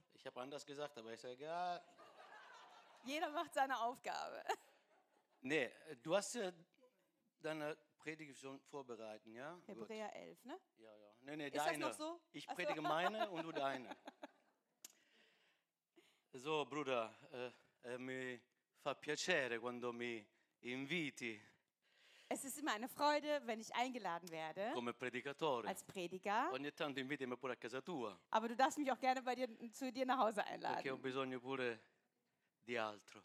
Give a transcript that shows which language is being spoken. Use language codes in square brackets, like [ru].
[de] Ich habe anders gesagt, aber ist egal. Jeder macht seine Aufgabe. Nee, du hast ja deine Predigt schon vorbereitet, ja? Hebräer 11, ne? Ja, ja. Nee, nee, deine. Ist das noch so? Ich predige meine und du deine. So, Bruder, [it] mi fa piacere quando mi inviti. [de] Es ist immer eine Freude, wenn ich eingeladen werde. [it] Come predicatore. [de] Als Prediger. [it] Ogni tanto invitami pure a casa tua. [de] Aber du darfst mich auch gerne bei dir, zu dir nach Hause einladen. [it] Perché ho bisogno pure di altro.